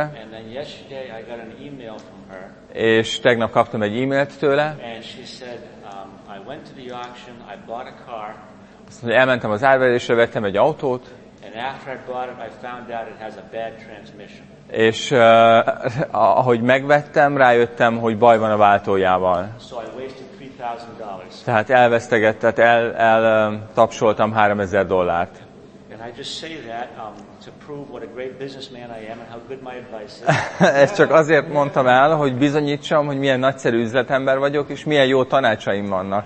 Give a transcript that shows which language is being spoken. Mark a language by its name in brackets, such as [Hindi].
[English] And then yesterday I got an email from her. [Hungarian] És tegnap kaptam egy e-mailt tőle. [English] And she said, I went to the auction, I bought a car. [Hungarian] Azt mondja, elmentem az árverésre, vettem egy autót. [English] And after I bought it, I found out it has a bad transmission. [Hungarian] És ahogy megvettem, rájöttem, hogy baj van a váltójával. [English] So I wasted $3,000. [Hungarian] Tehát elvesztegettem, eltapsoltam $3,000. [English] I just say that to prove what a great businessman I am and how good my advice is. [Hungarian] Ezt csak azért mondtam el, hogy bizonyítsam, hogy milyen nagyszerű üzletember vagyok és milyen jó tanácsaim vannak.